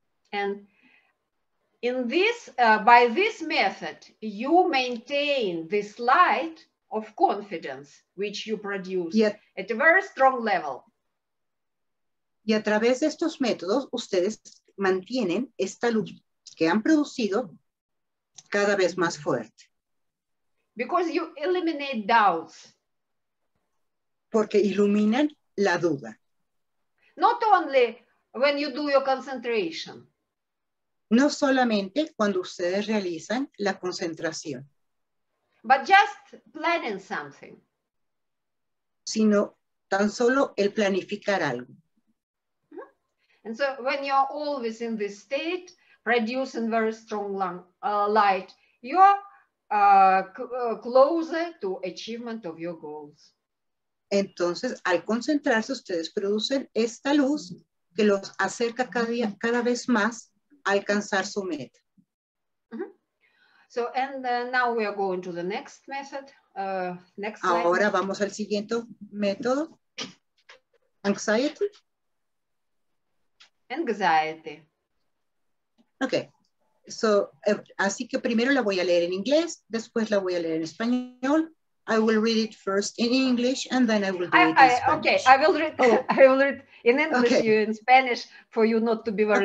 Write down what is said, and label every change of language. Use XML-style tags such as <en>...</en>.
<en>And in this, by this method, you maintain this light of confidence which you produce at a very strong level.</en> <es>Y a través de estos métodos, ustedes mantienen esta luz que han producido cada vez más fuerte.</es> <en>Because you eliminate doubts.</en> <es>Porque iluminan la duda.</es> <en>Not only when you do your concentration.</en> <es>No solamente cuando ustedes realizan la concentración.</es> <en>But just planning something.</en> <es>Sino tan solo el planificar algo.</es> <en>And so when you're always in this state, producing very strong light, you're closer to achievement of your goals.</en> <es>Entonces, al concentrarse, ustedes producen esta luz que los acerca cada día, cada vez más a alcanzar su meta.</es> <en>So, and now we are going to the next method. Next slide.</en> <es>Ahora vamos al siguiente método. Anxiety.</es> <en>Anxiety. Okay.</en> <es>So, así que primero la voy a leer en inglés, después la voy a leer en español.</es> <en>I will read it first in English and then I will do it in Spanish. Okay, I will read in English, okay. You in Spanish for you not to be very</en>